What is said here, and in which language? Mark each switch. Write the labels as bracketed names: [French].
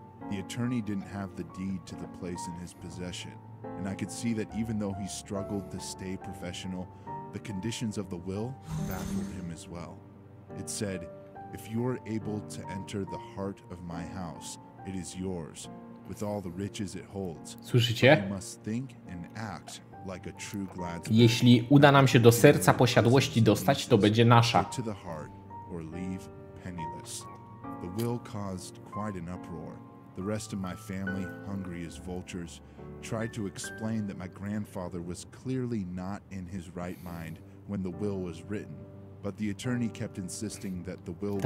[English] The attorney didn't have the deed to the place in his possession, and I could see that even though he struggled to stay professional, the conditions of the will baffled him as well. It said, if you are able to enter the heart of my house, it is yours, with all the riches it holds. [Polish] Słyszycie? [English] You must think and act. Like a true Gladsbury. [Polish] Jeśli uda nam się do serca posiadłości dostać, to będzie nasza. [English] To the heart or leave penniless. The will caused quite an uproar. The rest of my family, hungry as vultures, tried to explain that my grandfather was clearly not in his right mind when the will was written, but the attorney kept insisting that the will